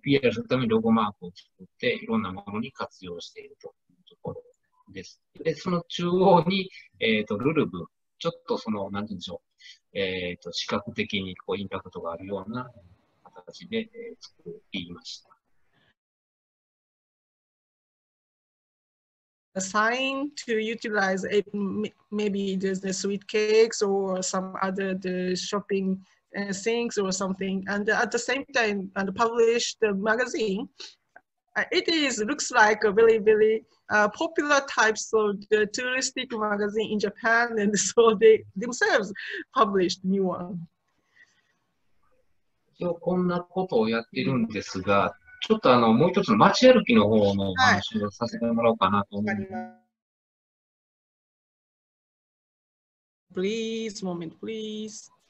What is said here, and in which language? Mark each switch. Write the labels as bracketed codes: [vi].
[ja] PR するためにロゴマークを作って、いろんなものに活用しているというところです。で、その中央に、ルルブ。ちょっとその、なんて言うんでしょう。視覚的にこうインパクトがあるような形で、作りました。 [en] A sign to utilize a, maybe there's the sweet cakes or some other the shopping things or something. And at the same time, and publish the magazine, it is, looks like a very, very,popular types of the touristic magazine in Japan, and so they themselves published new one. [ja] 今日こんなことをやってるんですが、ちょっともう一つの街歩きの方の話をさせてもらおうかなと思います。 [en] Please, moment, please.